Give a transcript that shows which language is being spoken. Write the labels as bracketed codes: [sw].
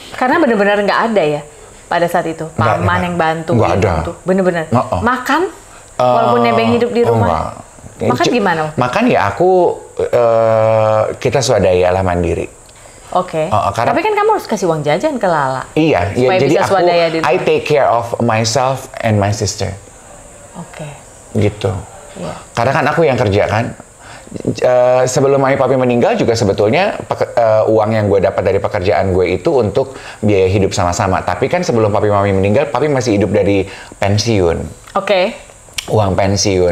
[id] Karena benar-benar nggak ada ya pada saat itu. Paman yang bantu. Nggak ada. Bener-bener. Makan, walaupun nebeng hidup di rumah. Makan gimana? Makan ya aku kita swadaya lah mandiri. Oke. Okay. Tapi kan kamu harus kasih uang jajan ke Lala. Iya. Iya. Jadi aku [en] I take care of myself and my sister. [id] Oke. [en] Okay. [id] Gitu. [en] Yeah. [id] Karena kan aku yang kerja kan. Sebelum Mami Papi meninggal juga sebetulnya uang yang gue dapat dari pekerjaan gue itu untuk biaya hidup sama-sama. Tapi kan sebelum Papi Mami meninggal, Papi masih hidup dari pensiun. Oke. Okay. Uang pensiun.